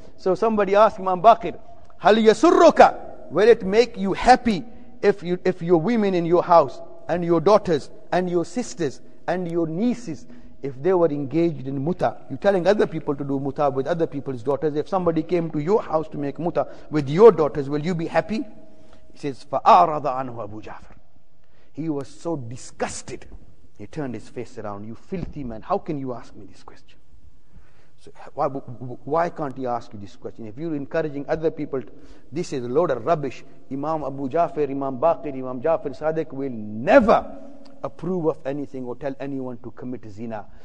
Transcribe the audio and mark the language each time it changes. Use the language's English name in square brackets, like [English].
[English] So somebody asked Imam Baqir, [Arabic] هل يسرك, [English] will it make you happy if your women in your house and your daughters and your sisters and your nieces, if they were engaged in muta? You're telling other people to do muta with other people's daughters. If somebody came to your house to make muta with your daughters, will you be happy? He says, [Arabic] فَأَعْرَضَ عَنْهُ أَبُو جَعْفَرٍ. [English] He was so disgusted, he turned his face around. You filthy man, how can you ask me this question? So why can't he ask you this question? If you're encouraging other people, this is a load of rubbish. Imam Abu Jafar, Imam Baqir, Imam Jafar Sadiq will never approve of anything or tell anyone to commit zina.